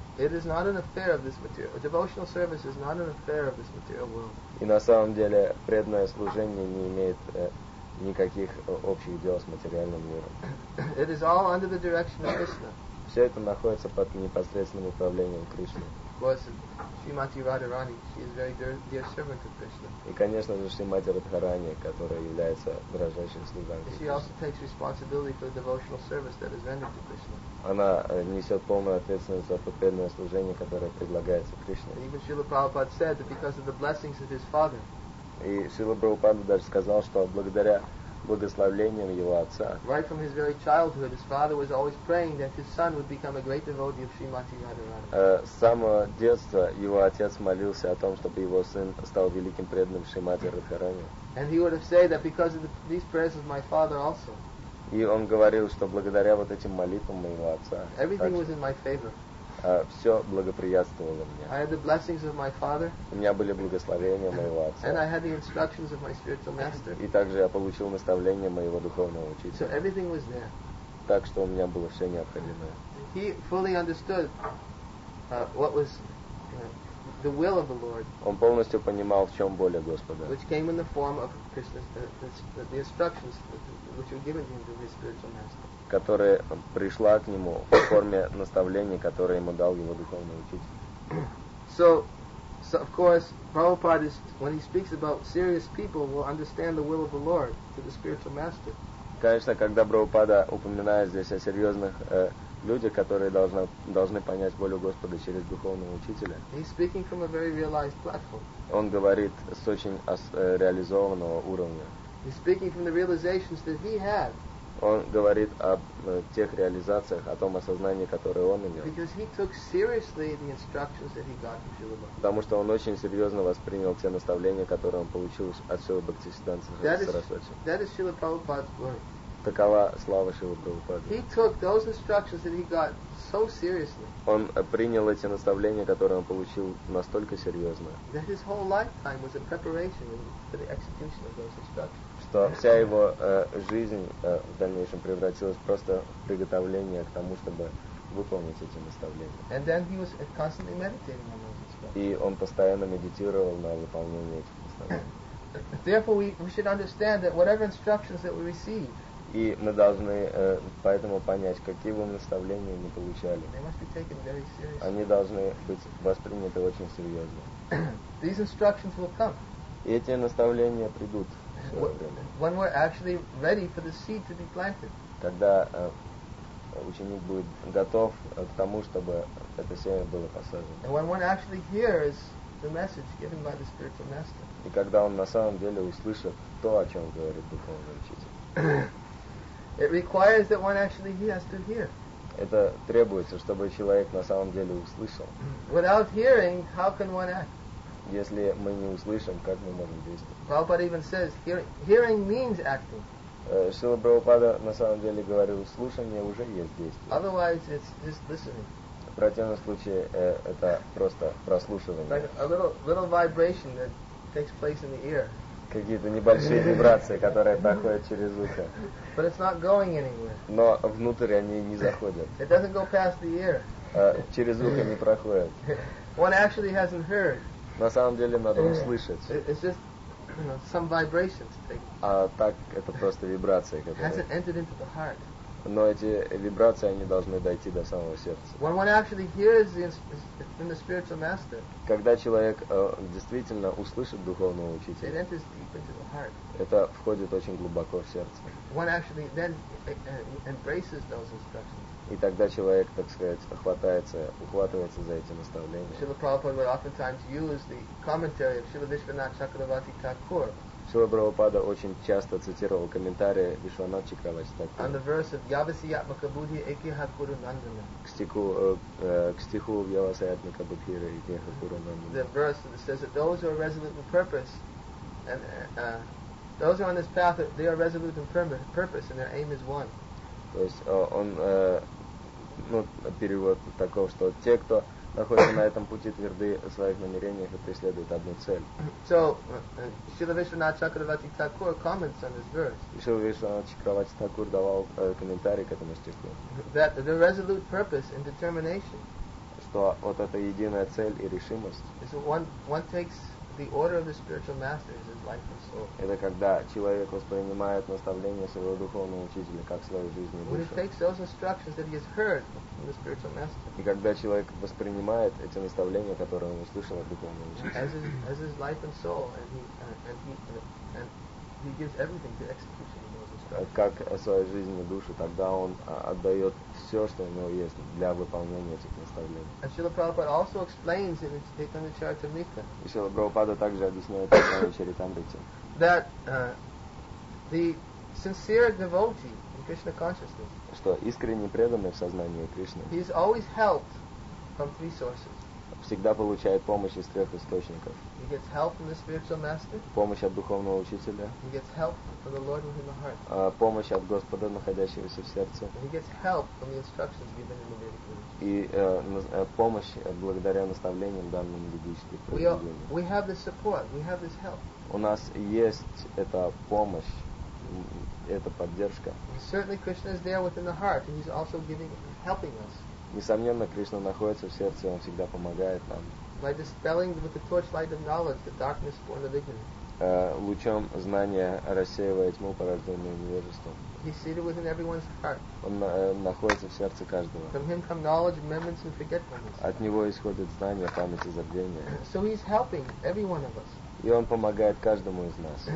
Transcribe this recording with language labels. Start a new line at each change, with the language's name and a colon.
English: It is not an affair of this material. Devotional service is not an affair of this material world.
Russian: И на самом деле преданное служение не имеет никаких общих дел с материальным миром.
English: It is all under the direction of Krishna.
Russian: Все это находится под непосредственным управлением Кришны.
English: Shrimati Radharani, she is very dear servant of Krishna.
Russian: И, конечно же, Шримати Радхарани, которая является дражайшей слугой.
English: She also takes responsibility for the devotional service that is rendered to Krishna.
Russian: Она несет полную ответственность за преданное служение, которое предлагается Кришне.
English: Even Srila Prabhupada said that because of the blessings of his father.
Russian: И Шрила Прабхупада даже сказал, что благодаря благословлением его отца.
English: Right from his very childhood, his father was always praying that his son would become a great devotee of Srimati Radharani.
Russian: С самого детства его отец молился о том, чтобы его сын стал великим преданным Шримати Радхарани.
English: And he would have said that because of these prayers of my father also.
Russian: И он говорил, что благодаря вот этим молитвам моего отца,
English: everything was in my favor.
Russian: Все благоприятствовало мне.
English: I had the blessings of my father.
Russian: У меня были благословения моего отца.
English: And I had the instructions of my spiritual master.
Russian: И также я получил наставления моего духовного учителя.
English: So everything was there.
Russian: Так что у меня было все необходимое.
English: He fully understood what was the will of the Lord.
Russian: Он полностью понимал, в чем воля Господа.
English: Which came in the form of Christmas, the instructions which were given him through his spiritual master.
Russian: Которая пришла к нему в форме наставлений, которые ему дал его духовный учитель.
English: So, of course, Prabhupada, when he speaks about serious people, will understand the will of the Lord to the spiritual master.
Russian: Конечно, когда Прабхупада упоминает здесь о серьезных людях, которые должны понять волю Господа через духовного учителя,
English: he's speaking from a very realized platform.
Russian: Он говорит с очень реализованного уровня.
English: He's speaking from the realizations that he had.
Russian: Он говорит о тех реализациях, о том осознании, которое он имел.
English: Because he took seriously the instructions that he got from Śrīla Bhakti.
Russian: Потому что он очень серьезно воспринял те наставления, которые он получил от Śrīla Bhaktisiddhanta Sarasvati.
English: That is Śrīla Prabhupāda's glory.
Russian: Такова слава Śrīla Prabhupāda.
English: He took those instructions that he got so seriously.
Russian: Он принял эти наставления, которые он получил, настолько серьезно.
English: That his whole lifetime was a preparation for the execution of those instructions.
Russian: Что вся его жизнь в дальнейшем превратилась просто в приготовление к тому, чтобы выполнить эти наставления.
English: And then he was constantly meditating on those instructions.
Russian: И он постоянно медитировал на выполнение этих наставлений.
English: Therefore, we should understand that whatever instructions that we receive,
Russian: и мы должны поэтому понять, какие бы наставления мы получали,
English: they must be taken very seriously.
Russian: Они должны быть восприняты очень серьезно.
English: These instructions will come.
Russian: И эти наставления придут.
English: When we're actually ready for the seed to be planted.
Russian: Когда ученик будет готов к тому, чтобы это семя было посажено.
English: And when one actually hears the message given by the spiritual master.
Russian: И когда он на самом деле услышит то, о чем говорит духовный учитель.
English: It requires that one actually has to hear.
Russian: Это требуется, чтобы человек на самом деле услышал.
English: Without hearing, how can one act?
Russian: Если мы не услышим, как мы можем действовать?
English: Prabhupada even says, hearing means acting.
Russian: Шрила Прабхупада на самом деле говорил, слушание уже есть действие.
English: Otherwise, it's just listening.
Russian: В противном случае, это просто прослушивание.
English: Like a little vibration that takes place in the ear.
Russian: Какие-то небольшие вибрации, которые проходят через ухо.
English: But it's not going anywhere.
Russian: Но внутрь они не заходят.
English: It doesn't go past the ear.
Russian: Через ухо не проходят.
English: One actually hasn't heard.
Russian: На самом деле надо услышать.
English: It's just, some vibrations.
Russian: А так это просто вибрации, которые.
English: Hasn't entered into the heart.
Russian: Но эти вибрации они должны дойти до самого сердца.
English: When one actually hears from the spiritual master.
Russian: Когда человек действительно услышит духовного учителя.
English: It enters deep into the heart.
Russian: Это входит очень глубоко в сердце.
English: One actually then embraces those instructions.
Russian: И тогда человек, так сказать, ухватывается за эти наставления.
English: Śrīla Prabhupāda would oftentimes use the commentary of Śrīla Viśvanātha Cakravarti Thakur.
Russian: Śrīla Prabhupāda очень часто цитировал комментарии Вишванатха Чакраварти Такура.
English: On the verse of
Sanskrit: Yavasiyatmaka Buddhi Ekiha Kuru Nandana.
Russian: К стиху
Sanskrit: Yavasiyatmaka Buddhi Ekiha Kuru Nandana.
English: The verse that says that those who are resolute in purpose and those who are on this path, they are resolute in purpose and their aim is one.
Russian: То есть он, ну, перевод такой, что те, кто находится на этом пути, тверды в своих намерениях и преследуют одну цель.
English: So, Śrīla Viśvanātha Cakravarti Thakura comments on this verse.
Russian: Śrīla Viśvanātha Cakravarti Thakura давал комментарий к этому стиху.
English: That the resolute purpose and determination.
Russian: Что вот эта единая цель и решимость.
English: Is one takes the order of the spiritual master is his life and soul.
Russian: Это когда человек воспринимает наставления своего духовного учителя как свою жизнь и душу.
English: When he takes those instructions that he has heard from the spiritual master.
Russian: И когда человек воспринимает эти наставления, которые он услышал от духовного учителя.
English: As his life and soul, and he gives everything to execution of those instructions.
Russian: Как свою жизнь и душу, тогда он отдает все, что у него есть для выполнения этих наставлений.
English: And Śrīla Prabhupāda also explains in his Chaitanya Charitamrita.
Russian: И Śrīla Prabhupāda также объясняет в своем Чаритамрите.
English: That the sincere devotee in Krishna consciousness.
Russian: Что искренне преданный в сознании Кришны.
English: He is always helped from three sources.
Russian: всегда получает помощь из трех источников.
English: He gets help from the spiritual master.
Russian: Помощь от духовного учителя.
English: He gets help from the Lord within the heart.
Russian: Помощь от Господа, находящегося в сердце.
English: He gets help from the instructions given in the Vedic literature.
Russian: И помощь благодаря наставлениям, данным ведических произведений.
English: We have this support. We have this help.
Russian: У нас есть эта помощь, эта поддержка.
English: Certainly, Krishna is there within the heart, and he's also giving, helping us.
Russian: Несомненно, Кришна находится в сердце, он всегда помогает нам.
English: By dispelling with the torchlight of knowledge the darkness born of ignorance.
Russian: Лучом знания рассеивает тьму, порожденную невежеством.
English: He's seated within everyone's heart.
Russian: Он находится в сердце каждого.
English: From him come knowledge, remembrance, and forgetfulness.
Russian: От него исходят знания, память и забвение.
English: So he's helping every one of us.
Russian: И он помогает каждому из нас.